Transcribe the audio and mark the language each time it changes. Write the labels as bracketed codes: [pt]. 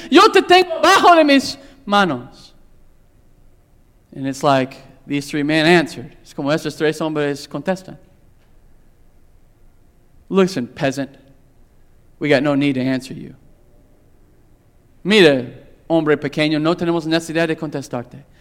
[es] Yo te tengo bajo de mis manos. [en] And it's like these three men answered. [es] Es como estos tres hombres contestan. [en] Listen, peasant, we got no need to answer you. [es] Mira, hombre pequeño, no tenemos necesidad de contestarte.